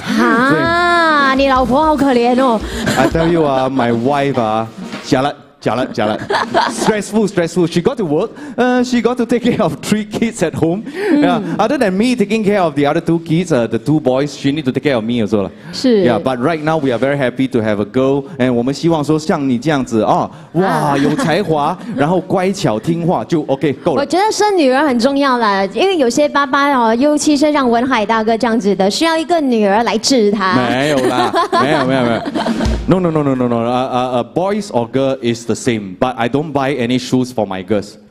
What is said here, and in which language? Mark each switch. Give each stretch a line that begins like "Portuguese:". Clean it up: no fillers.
Chinese: 啊，你老婆好可怜哦。
English: I tell you my wife jialat. Stressful. She got to work. She got to take care of three kids at home. Yeah. Other than me taking care of the other two kids, the two boys, she need to take care of me also. Yeah, but right now we are very happy to have a girl.
Chinese: And 我们希望说像你这样子，哇，有才华，然后乖巧听话就 OK 够了。我觉得生女儿很重要啦，因为有些爸爸哦，尤其是像文海大哥这样子的，需要一个女儿来治他。没有啦，没有。
English: No. A boys or girl is the same, but I don't buy any shoes for my girls.